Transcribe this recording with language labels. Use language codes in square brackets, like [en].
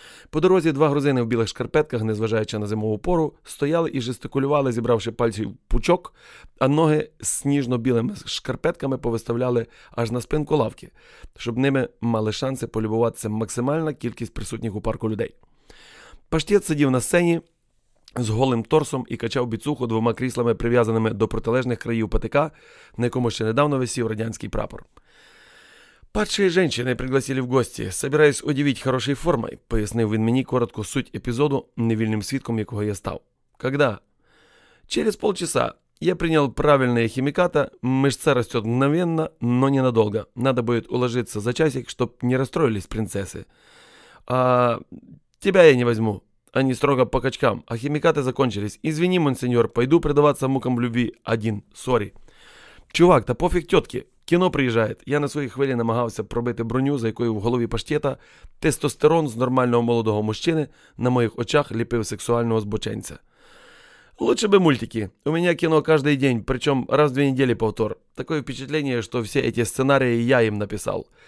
[uk] По дорозі два грузини в білих шкарпетках, незважаючи на зимову пору, стояли і жестикулювали, зібравши пальці в пучок, а ноги з сніжно-білими шкарпетками повиставляли аж на спинку лавки, щоб ними мали шанси полюбуватися максимальна кількість присутніх у парку людей. Паштєт сидів на сцені з голим торсом і качав біцуху двома кріслами, прив'язаними до протилежних країв патика, на якому ще недавно висів радянський прапор. [ru] «Падшие женщины пригласили в гості. Собираюсь удивить хорошей формой», [uk] – пояснив він мені коротко суть епізоду, невільним свідком якого я став. [ru] «Когда?» «Через полчаса. Я принял правильные химикаты. Мышца растет мгновенно, но ненадолго. Надо будет уложиться за часик, чтоб не расстроились принцессы. А тебя я не возьму. Они строго по качкам. А химикаты закончились. Извини, монсеньор, пойду предаваться мукам любви один. Сори». «Чувак, да пофиг тетке. [uk] Кіно приїжджає. Я на своїй хвилі намагався пробити броню, за якою в голові Паштєта тестостерон з нормального молодого мужчини на моїх очах ліпив сексуального збоченця. [ru] Лучше би мультики. [uk] У мене кіно кожен день, причому раз в дві неділі повтор. Такое впечатлення, що всі ці сценарії я їм написав.